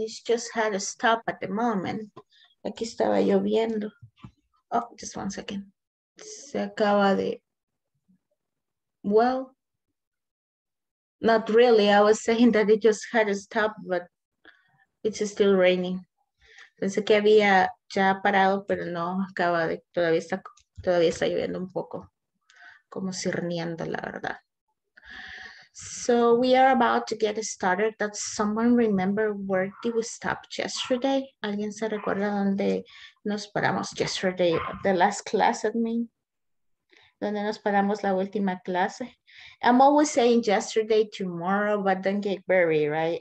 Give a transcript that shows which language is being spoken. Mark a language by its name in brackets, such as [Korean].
[English] It's just had a stop at the moment. [Spanish] Aquí estaba lloviendo. [English] Oh, just 1 second. [Spanish] Se acaba de... [English] Well, not really. I was saying that it just had a stop, but it's still raining. [Spanish] Pensé que había ya parado, pero no, acaba de, todavía está lloviendo un poco, como cerniendo, la verdad. [English] So we are about to get started. Does someone remember where did we stop yesterday? [Spanish] ¿Alguien se recuerda dónde nos paramos yesterday? [English] The last class, I mean. [Spanish] ¿Dónde nos paramos la última clase? [English] I'm always saying yesterday, tomorrow, but don't get worried, right?